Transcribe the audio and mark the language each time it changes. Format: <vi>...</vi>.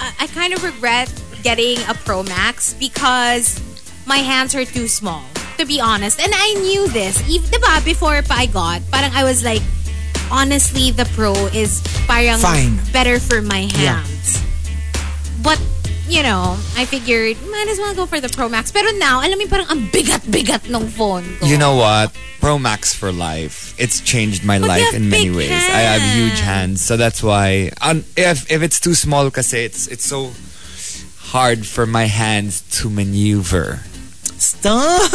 <en>I kind of regret getting a Pro Max because my hands are too small. To be honest, and I knew this even diba, before pa I got, parang I was like, honestly, the Pro is parang fine. Better for my hands. Yeah. But you know, I figured might as well go for the Pro Max.</en> <tl>Pero now, alam mo, parang ang bigat-bigat ng phone ko.</tl> <en>You know what? Pro Max for life. It's changed my life in many ways. Hands. I have huge hands. So that's why, if it's too small, kasi it's so hard for my hands to maneuver. Stop!</en>